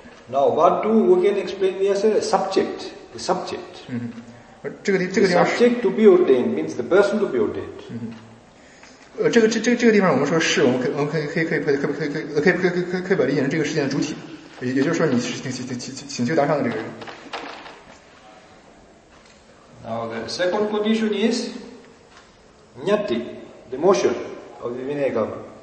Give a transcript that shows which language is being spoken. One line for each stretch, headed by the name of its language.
English: Now, what do we can explain as a subject? The subject. The subject to be ordained means the person to be ordained.
Chinese: 这个地方我们说是，我们可以把它理解成这个事件的主体，也就是说你请求达上的这个人。
English: Now, the second condition is nyati, the motion of the Vinaya Karma.